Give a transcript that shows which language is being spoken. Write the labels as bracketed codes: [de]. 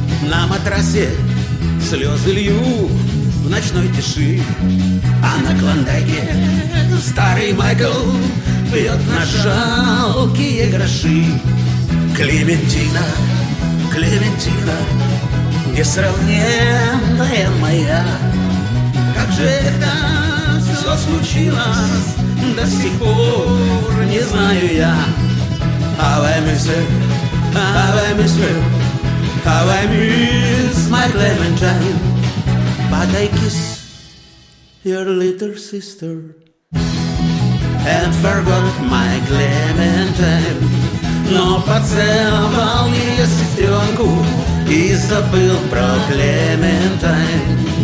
[ru] На матрасе слезы лью в ночной тиши, а на Клондайке старый Майкл бьет на жалкие гроши. Клементина, Клементина, несравненная моя, как же это все случилось, до сих пор не знаю я. [en] Have I missed you, have I missed you, how I miss my Clementine. But I kiss your little sister and forgot my Clementine. [ru] Но поцеловал её сестрёнку и забыл про Clementine.